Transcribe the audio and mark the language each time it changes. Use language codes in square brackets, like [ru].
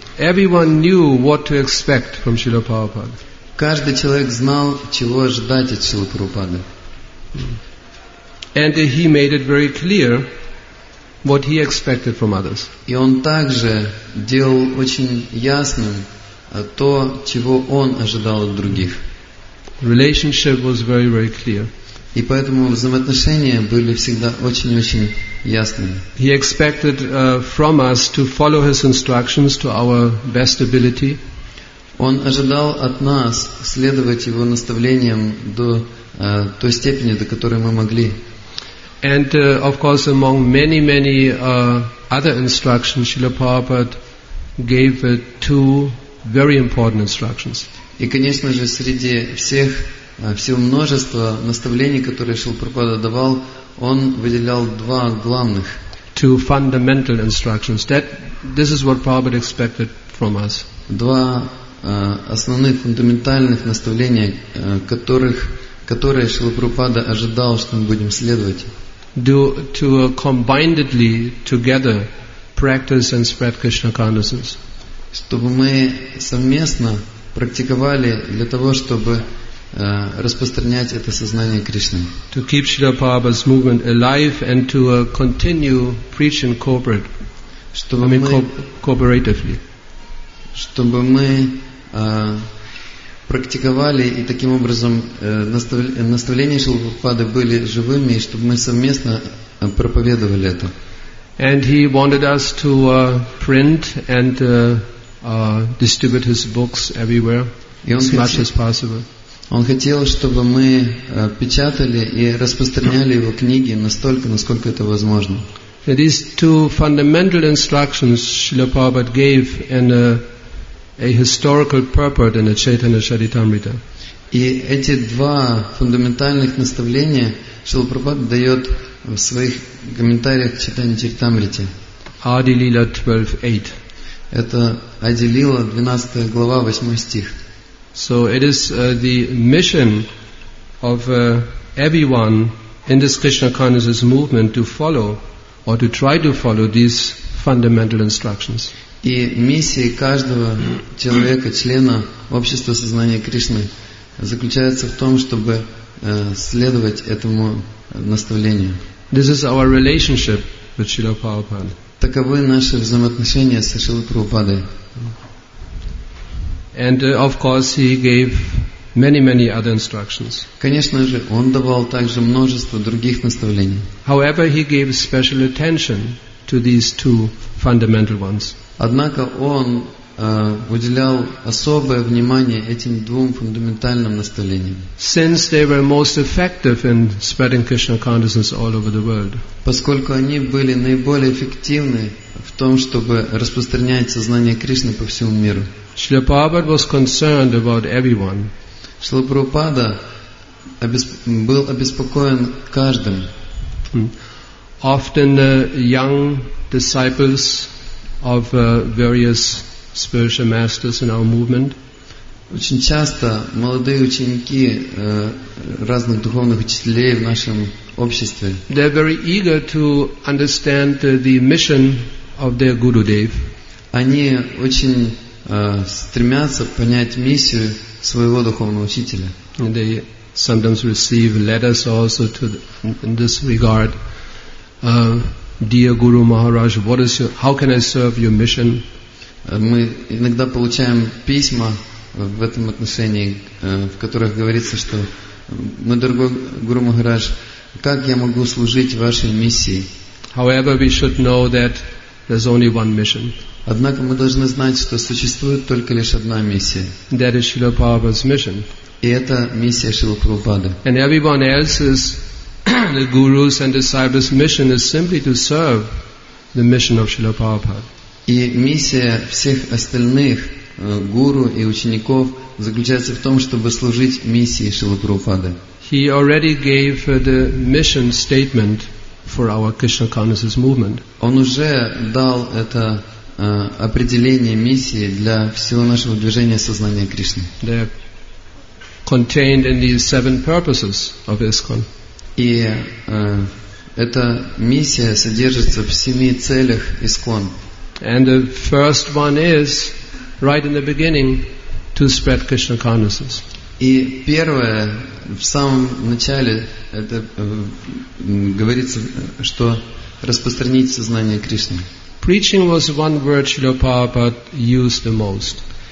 [en] Everyone knew what to expect from Srila Prabhupada. [ru] Каждый человек знал, чего ожидать от Шрилы Прабхупады. [en] And he made it very clear what he expected from others. [ru] И он также делал очень ясным то, чего он ожидал от других. [en] Relationship was very, very clear. [ru] И поэтому взаимоотношения были всегда очень-очень ясными. [en] He expected from us to follow his instructions to our best ability. [ru] Он ожидал от нас следовать его наставлениям до той степени, до которой мы могли. [en] And of course, among many, many other instructions, Srila Prabhupada gave two very important instructions. [ru] И, конечно же, среди всех всего множества наставлений, которые Шрила Прабхупада давал, он выделял два главных. [en] Two fundamental instructions. That this is what Prabhupada expected from us. [ru] Два основных фундаментальных наставления, которые Шрила Прабхупада ожидал, что мы будем следовать. [en] Do to combinedly together practice and spread Krishna consciousness. [ru] Чтобы мы совместно практиковали для того, чтобы распространять это сознание Кришны. [en] To keep Srila Prabhupada's movement alive and to continue preaching corporate, [ru] чтобы [en] I mean, cooperatively. [ru] Чтобы мы практиковали и таким образом наставления Шрилы Прабхупады были живыми, и чтобы мы совместно проповедовали это. [en] And he wanted us to print and distribute his books everywhere as much as possible. [ru] Он хотел, чтобы мы печатали и распространяли его книги настолько, насколько это возможно. [en] These two fundamental instructions Srila Prabhupada gave in a historical purport in the Chaitanya Charitamrita. [ru] И эти два фундаментальных наставления Шрила Прабхупада дает в своих комментариях к Чайтанья Чаритамрите. [en] Adi Lila 12:8. [ru] Это Адилила, 12 глава, 8 стих. [en] So it is the mission of everyone in this Krishna consciousness movement to follow or to try to follow these fundamental instructions. [ru] И миссия каждого человека, члена общества сознания Кришны, заключается в том, чтобы следовать этому наставлению. [en] This is our relationship with Srila Prabhupada. [ru] Таковы наши взаимоотношения с Шрилой Прабхупадой. [en] And of course he gave many, many other instructions. [ru] Конечно же, он давал также множество других наставлений. [en] However, he gave special attention to these two fundamental ones. [ru] Однако он уделял особое внимание этим двум фундаментальным наставлениям. [en] Since they were most effective in spreading Krishna consciousness all over the world. [ru] Поскольку они были наиболее эффективны в том, чтобы распространять сознание Кришны по всему миру. [en] Srila Prabhupada was concerned about everyone. [ru] Шрила Прабхупада был обеспокоен каждым. [en] Often young disciples of various spiritual masters in our movement. [ru] Очень часто молодые ученики разных духовных учителей в нашем обществе. [en] They're very eager to understand the mission of their Gurudev. [ru] Они очень стремятся понять миссию своего духовного учителя. [en] And they sometimes receive letters also to in this regard. Dear Guru Maharaj, what is your, how can I serve your mission? [ru] Мы иногда получаем письма в этом отношении, в которых говорится, что Мой дорогой Гуру Махарадж, как я могу служить вашей миссии? [en] However, we should know that there's only one mission. [ru] Однако мы должны знать, что существует только лишь одна миссия. [en] That is Srila Prabhupada's mission. [ru] И это миссия Шрилы Прабхупады. [en] And everyone else's, the gurus and disciples' mission is simply to serve the mission of Srila Prabhupada. [ru] И миссия всех остальных гуру и учеников заключается в том, чтобы служить миссии Шрилы Прабхупады. [en] He already gave the mission statement for our Krishna consciousness movement. [ru] Он уже дал это определение миссии для всего нашего движения сознания Кришны. [en] They are contained in these seven purposes of ISKCON. [ru] И эта миссия содержится в семи целях ISKCON. [en] And the first one is right in the beginning to spread Krishna consciousness. [ru] И первое в самом начале это говорится, что распространить сознание Кришны. [en] Preaching was one word Srila Prabhupada used the most.